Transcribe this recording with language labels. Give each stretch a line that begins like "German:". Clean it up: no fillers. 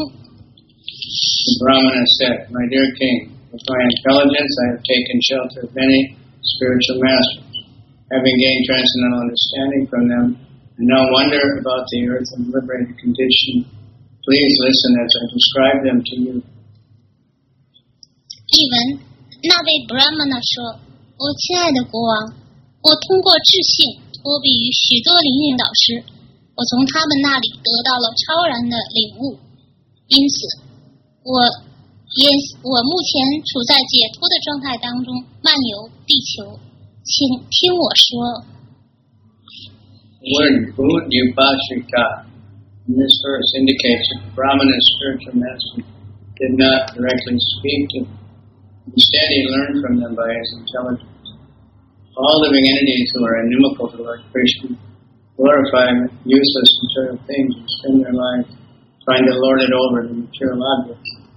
English: The Brahmana said, My dear king, with my intelligence I have taken shelter of many spiritual masters, having gained transcendental understanding from them, and no wonder about the earth and liberated condition. Please listen as I describe them to you.
Chinese: 译文，那位 Brahmana 说，我亲爱的国王，我通过智性托庇于许多灵隐导师，我从他们那里得到了超然的领悟，因此我目前处在解脱的状态当中，漫游地球，请听我说。
English: The word Bhūtyupāśrita in this verse indicates that the Brahmana's spiritual master did not directly speak to them. Instead, he learned from them by his intelligence. All living entities who are inimical to Lord Krishna glorify useless material things and spend their lives trying to lord it over the material objects.